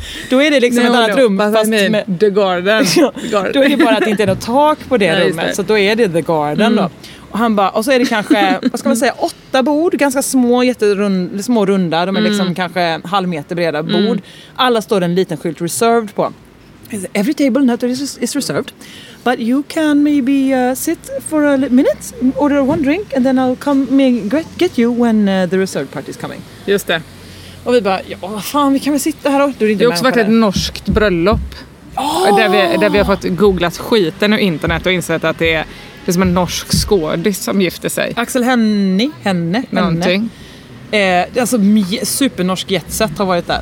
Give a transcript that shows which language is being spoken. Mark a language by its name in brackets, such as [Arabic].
[Swedish] Då är det liksom ett annat rum. [English] Fast I mean, med, the garden. [Swedish] Då är det bara att det inte är något tak på det rummet. Så då är det [English] the garden [Swedish] då. Och han bara, och så är det kanske, vad ska man säga, 8 bord, ganska små, små runda, de är liksom kanske halv meter breda bord. Alla står en liten skylt reserved på. [English] Every table not is reserved, but you can maybe sit for a minute, order one drink, and then I'll come get you when the reserved party is coming. [Swedish] Just det. Och vi bara, ja, fan, vi kan väl sitta här då? Det har också varit ett norskt bröllop, där vi har fått googlat skiten ur internet och insett att det är... Det är som en norsk skådis som gifter sig. Axel Henne. Någonting. Alltså supernorsk jetset har varit där.